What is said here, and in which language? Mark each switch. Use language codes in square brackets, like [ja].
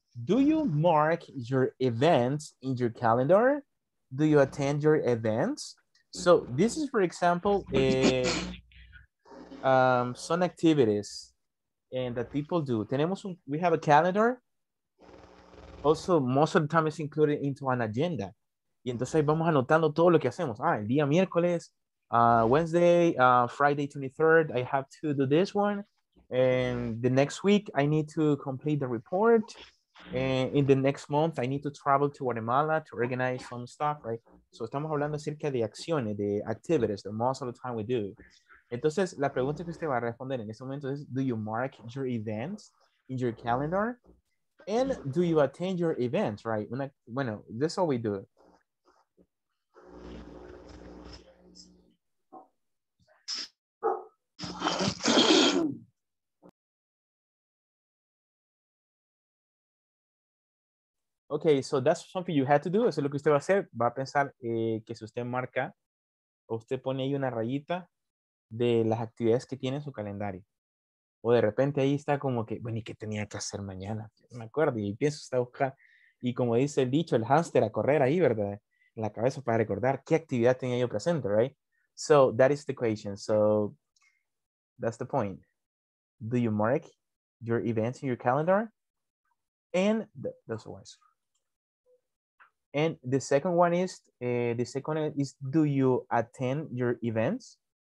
[en] Do you mark your events in your calendar? Do you attend your events? So this is, for example, some activities and that people do. We have a calendar. Also, most of the time it's included into an agenda. [es] Y entonces vamos anotando todo lo que hacemos. Ah, el día miércoles, [en] Wednesday, Friday 23rd, I have to do this one. And the next week, I need to complete the report. And in the next month, I need to travel to Guatemala to organize some stuff, right? [es] So, estamos hablando acerca de acciones, de [en] activities, the most of the time we do. [es] Entonces, la pregunta que usted va a responder en este momento es, [en] do you mark your events in your calendar? And do you attend your events, right? [es] Bueno, [en] this is what we do. Okay, so that's something you had to do. [es] Eso es lo que usted va a hacer. Va a pensar que si usted marca, usted pone ahí una rayita de las actividades que tiene en su calendario. O de repente ahí está como que, bueno, ¿y qué tenía que hacer mañana? Me acuerdo, y pienso usted a buscar. Y como dice el dicho, el hámster a correr ahí, ¿verdad? En la cabeza para recordar qué actividad tenía yo presente, right? [en] So, that is the question. So, that's the point. Do you mark your events in your calendar? And those ones. And the second one is, do you attend your events?